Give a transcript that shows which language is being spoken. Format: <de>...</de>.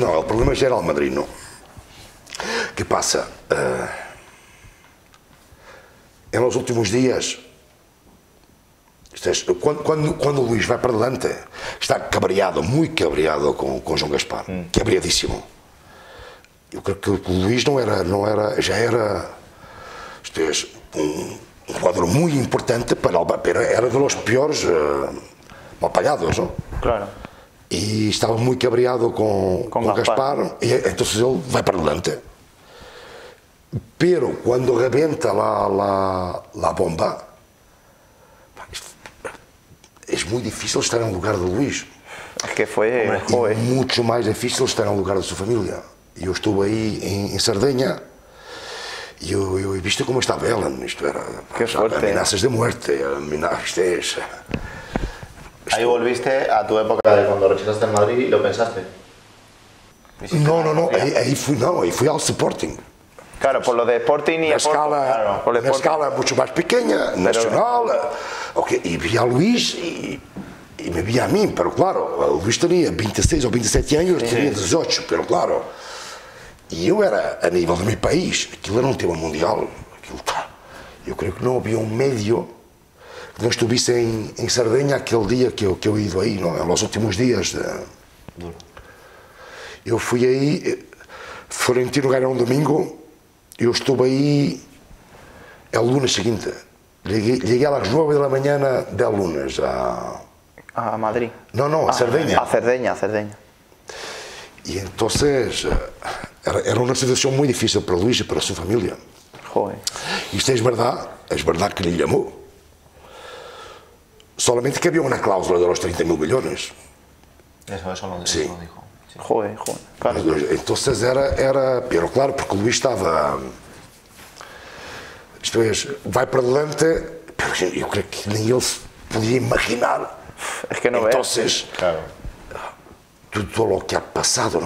<es>No, el problema es que era el Madrid, ¿no? ¿Qué pasa? En los últimos días, cuando Luis va para adelante, está cabreado, muy cabreado con João Gaspar, cabreadíssimo.</es> <pt>Eu creio que o Luis já era um jogador muito importante para Alba, era um dos piores mal pagados, não? Claro. E estava muito cabreado com Gaspar. Gaspar, e então ele vai</pt> <es>para adelante.</es> <pt>Mas quando rebenta a bomba, é muito difícil estar no lugar do Luís. Que foi, é muito mais difícil estar no lugar da sua família. Eu estou aí em Sardenha e eu vi como estava ela. Isto era. Que sorte. Ameaças de morte, ameaças. Aí volviste a tua época de quando rechazaste em Madrid e lo pensaste? Não. Aí fui ao Sporting.</pt> <es>Claro, por lo de Sporting y una escala mucho más pequeña, nacional. Okay, y vi a Luis y me vi a mí, pero claro, Luis tenía 26 o 27 años, sí, tenía 18, sí. Pero claro. Y yo era a nivel de mi país, aquilo era un tema mundial. Aquilo, yo creo que no había un medio que no estuviese en Sardenha aquel día que he ido ahí, ¿no? En los últimos días. Yo fui ahí, Florentino ganó un domingo.</es> <pt>Eu estou aí a lunes seguinte. Cheguei às 9 da manhã de lunes a Madrid. Não, a Sardenha. A Sardenha. E então era uma situação muito difícil para Luís e para a sua família.</pt> <es>Joder.</es> <pt>Isto é verdade. É verdade que lhe chamou.</pt> <es>Solamente que</es> <pt>havia uma cláusula de los 30 mil milhões. Isso não disse.</pt> <es>Joder, claro. Entonces era, pero claro, porque Luis estaba, isto es,</es> <pt>vai para adelante,</pt> <es>pero yo creo que ni él podía imaginar. Es que no ve. Entonces, claro. Todo lo que ha pasado, ¿no?</es>